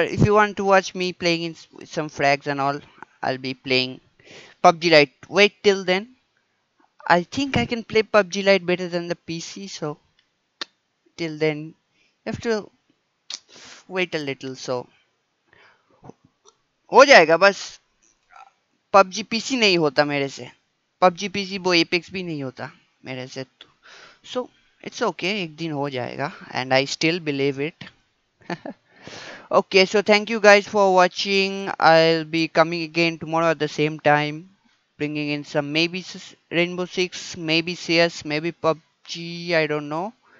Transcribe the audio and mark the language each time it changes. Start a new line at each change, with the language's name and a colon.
English: If you want to watch me playing in some frags and all, I'll be playing PUBG Lite. Wait till then. I think I can play PUBG Lite better than the PC. So, till then, you have to wait a little. So.
Hindi: हो जाएगा बस PUBG PC नहीं होता मेरे से PUBG PC वो Apex भी नहीं होता मेरे से तो
English: So it's okay,
Hindi: ek din ho jayega,
English: and I still believe it. Okay, so thank you guys for watching. I'll be coming again tomorrow at the same time, bringing in some maybe Rainbow Six, maybe CS, maybe PUBG, I don't know.